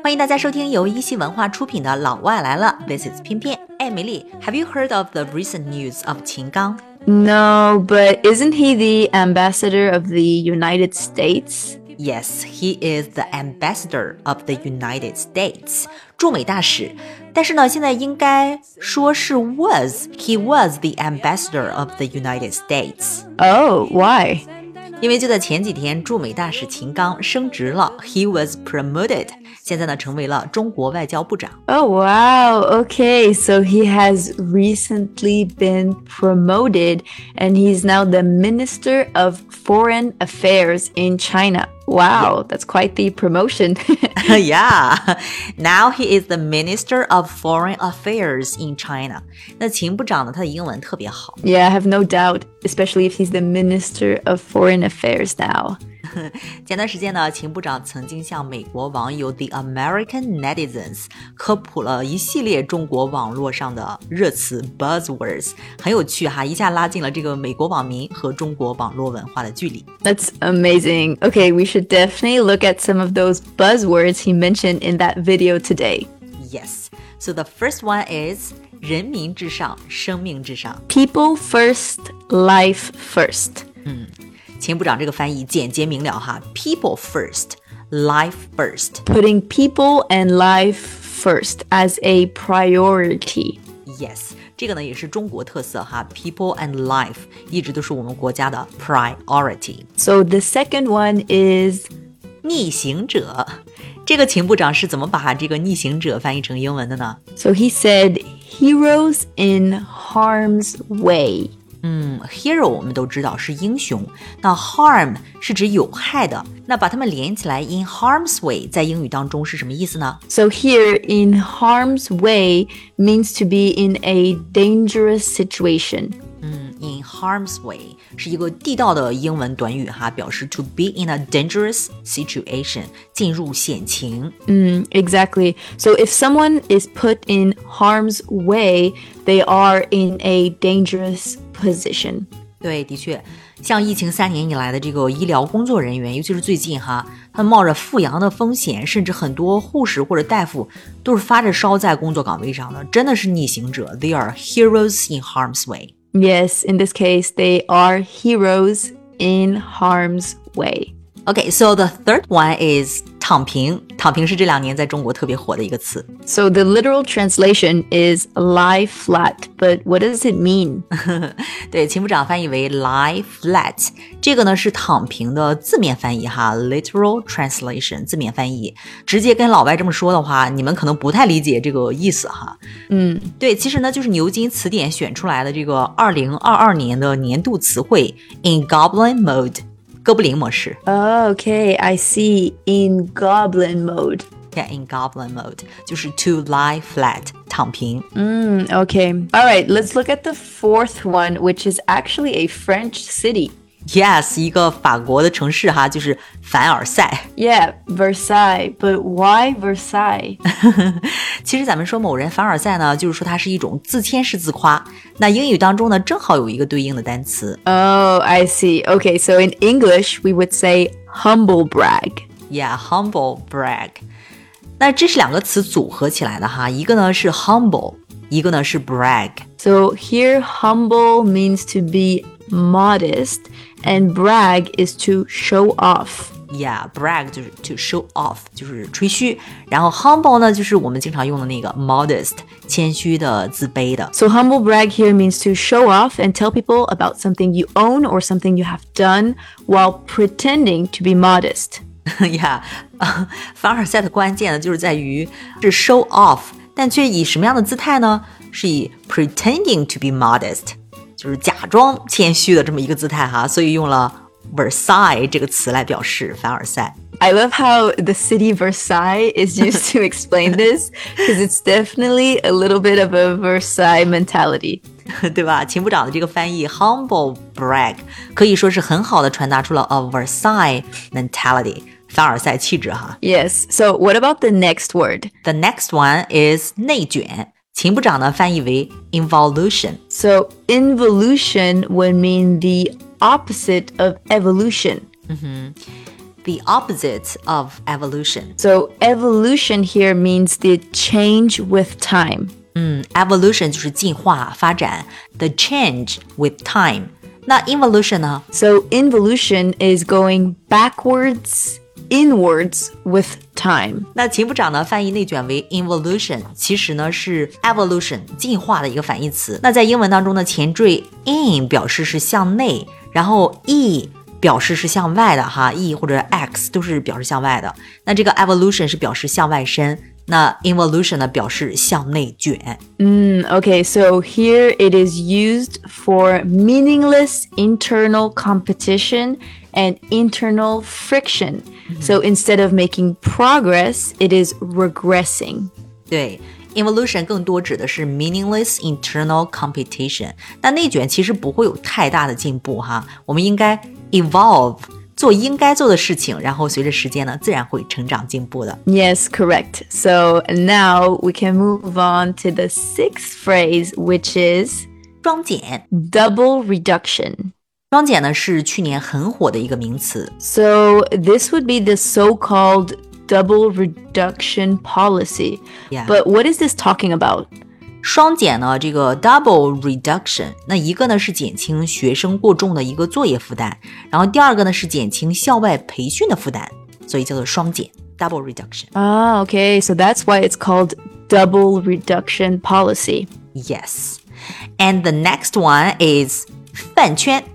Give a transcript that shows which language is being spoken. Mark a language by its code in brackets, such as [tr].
[zh] 欢迎大家收听由一席文化出品的《老外来了》。 [en] This is 翩翩。哎，梅丽 ，Have you heard of the recent news of 秦刚？No, but isn't he the ambassador of the United States？ Yes, he is the ambassador of the United States, [zh] 驻美大使。但是呢，现在应该说是 was. [en] He was the ambassador of the United States. Oh, why? [zh] 因为就在前几天，驻美大使秦刚升职了。 [en] He was promoted. [zh] 现在呢，成为了中国外交部长。 [en] Oh, wow. Okay, so he has recently been promoted, and he's now the Minister of Foreign Affairs in China. Wow, that's quite the promotion. Yeah, now he is the Minister of Foreign Affairs in China. [zh] 那秦部长呢，他的英文特别好。 [en] Yeah, I have no doubt, especially if he's the Minister of Foreign Affairs now. [zh] 前段时间呢，秦部长曾经向美国网友 [en] The American Netizens [zh] 科普了一系列中国网络上的热词 buzzwords， 很有趣哈，一下拉近了这个美国网民和中国网络文化的距离。 [en] That's amazing. Okay, we should definitely look at some of those buzzwords he mentioned in that video today. Yes. So the first one is [zh] 人民至上，生命至上。 [en] People first, life first. [zh] 秦部长这个翻译简洁明了哈 [en] People first, life first. Putting people and life first as a priority. [zh] Yes, 这个呢也是中国特色哈 [en] People and life [zh] 一直都是我们国家的 priority. [en] So the second one is [zh] 逆行者。这个秦部长是怎么把这个逆行者翻译成英文的呢 [en] So he said, heroes in harm's way. [zh] Hero 我们都知道是英雄，那 harm 是指有害的，那把它们连起来 [en] in harm's way [zh] 在英语当中是什么意思呢 [en] So here in harm's way means to be in a dangerous situation in harm's way [zh] 是一个地道的英文短语哈，表示 [en] to be in a dangerous situation [zh] 进入险情 [en] Exactly, so if someone is put in harm's way they are in a dangerous position [zh] 对的确像疫情三年以来的这个医疗工作人员尤其是最近哈他冒着复阳的风险甚至很多护士或者大夫都是发着烧在工作岗位上的真的是逆行者 [en] they are heroes in harm's way yes in this case they are heroes in harm's way okay so the third one is [zh] 躺平躺平是这两年在中国特别火的一个词 [en] So the literal translation is lie flat, but what does it mean? [zh] 对秦部长翻译为 [en] lie flat [zh] 这个呢是躺平的字面翻译哈 [en] literal translation [zh] 字面翻译直接跟老外这么说的话你们可能不太理解这个意思哈对其实呢就是牛津词典选出来的这个2022年的年度词汇 [en] in goblin mode [zh] 哥布林模式 [en] Okay, I see. In goblin mode. Yeah, in goblin mode. [zh] 就是 [en] to lie flat, [zh] 躺平 [en] Okay. All right, let's look at the fourth one, which is actually a French city. [zh] Yes, 一个法国的城市哈，就是凡尔赛 [en] Yeah, Versailles. But why Versailles? [zh] 其实咱们说某人凡尔赛呢，就是说他是一种自谦式自夸。那英语当中呢，正好有一个对应的单词。 [en] Oh, I see. Okay, so in English, we would say humble brag. Yeah, humble brag. [zh] 那这是两个词组合起来的哈，一个呢是 humble， 一个呢是 brag. [en] So here, humble means to be modest, and brag is to show off. [zh] Yeah, brag 就是 [en] to show off, [zh] 就是吹嘘。然后 humble 呢就是我们经常用的那个 modest, 谦虚的自卑的。 [en] So humble brag here means to show off and tell people about something you own or something you have done while pretending to be modest. [zh] Yeah, 凡尔赛的关键呢就是在于是 [en] show off, [zh] 但却以什么样的姿态呢是以 [en] pretending to be modest, [zh] 就是假装谦虚的这么一个姿态哈所以用了Versailles 这个词来表示凡尔赛 [en] I love how the city Versailles is used to explain this because it's definitely a little bit of a Versailles mentality [zh] 对吧秦部长的这个翻译 [en] humble brag [zh] 可以说是很好的传达出了 [en] a Versailles mentality [zh] 凡尔赛气质哈 [en] Yes, so what about the next word? The next one is [zh] 内卷秦部长呢翻译为 involution [en] So involution would mean the opposite of evolution. Mm-hmm. The opposite of evolution. So evolution here means the change with time. [zh] Evolution 就是进化发展 [en] The change with time. [zh] 那 involution 呢? [en] So involution is going backwards, inwards with time. [zh] 那秦部长呢翻译内卷为 involution, 其实呢是 evolution, 进化的一个反义词。那在英文当中呢前缀 in 表示是向内然后 e表示是向外的哈 ,e 或者 x 都是表示向外的。那这个 evolution 是表示向外伸那 involution 呢表示向内卷。 [en] Okay, so here it is used for meaningless internal competition and internal friction.、So instead of making progress, it is regressing. [zh] 对。 Involution 更多指的是 [en] meaningless internal competition. [zh] 那内卷其实不会有太大的进步哈。我们应该 evolve, 做应该做的事情然后随着时间呢自然会成长进步的。 [en] Yes, correct. So now we can move on to the sixth phrase, which is [zh] 双减 [en] double reduction. [zh] 双减呢是去年很火的一个名词。 [en] So this would be the so-called double reduction policy. Yeah. But what is this talking about? [zh] 双减呢这个 [en] double reduction, [zh] 那一个呢是减轻学生过重的一个作业负担然后第二个呢是减轻校外培训的负担所以叫做双减 double reduction. [en] Ah, okay, so that's why it's called double reduction policy. Yes. And the next one is 饭圈。